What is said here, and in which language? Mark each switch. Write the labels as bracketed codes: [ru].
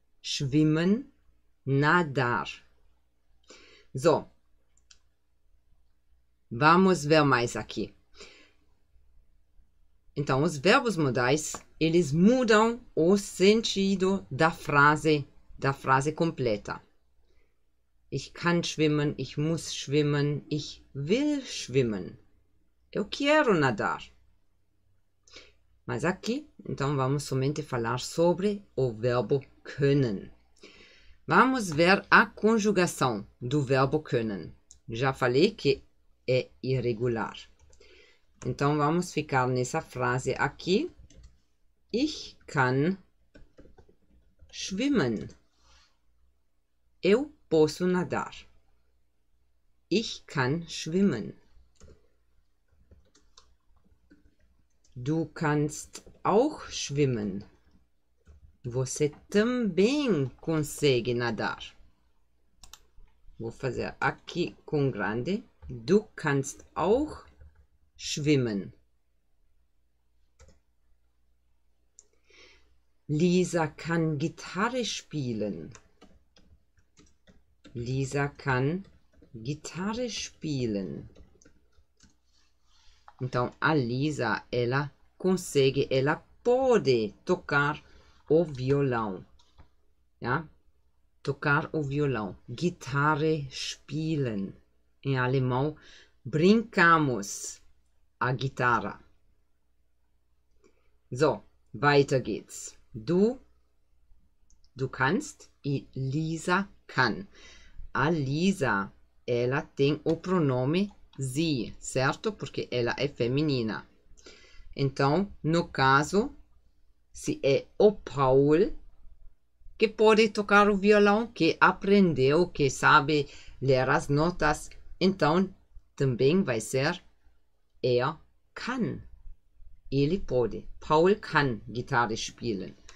[de] Schwimmen, [pt] nadar. [de] So. [pt] Vamos ver mais aqui. Então, os verbos modais, eles mudam o sentido da frase completa. [de] Ich kann schwimmen, ich muss schwimmen, ich will schwimmen. [pt] Eu quero nadar. Mas aqui, então, vamos somente falar sobre o verbo können. Vamos ver a conjugação do verbo können. Já falei que é irregular. Então, vamos ficar nessa frase aqui. [de] Ich kann schwimmen. [pt] Eu posso nadar. [de] Ich kann schwimmen. Du kannst auch schwimmen. [pt] Você também consegue nadar. Vou fazer aqui com grande. [de] Du kannst auch schwimmen. Lisa kann Gitarre spielen. Lisa kann Gitarre spielen. [pt] Então, a Lisa, ela consegue, ela pode tocar o violão. Ja? Tocar o violão. [de] Gitarre spielen. [pt] Em alemão, brincamos a guitarra. [de] So, weiter geht's. Du kannst [pt] e [de] Lisa kann. [pt] A Lisa, ela tem o pronome sie, certo? Porque ela é feminina. Então, no caso, se é o Paul que pode tocar o violão, que aprendeu, que sabe ler as notas, então também vai ser kann. Ele pode. [de] Paul kann Gitarre spielen.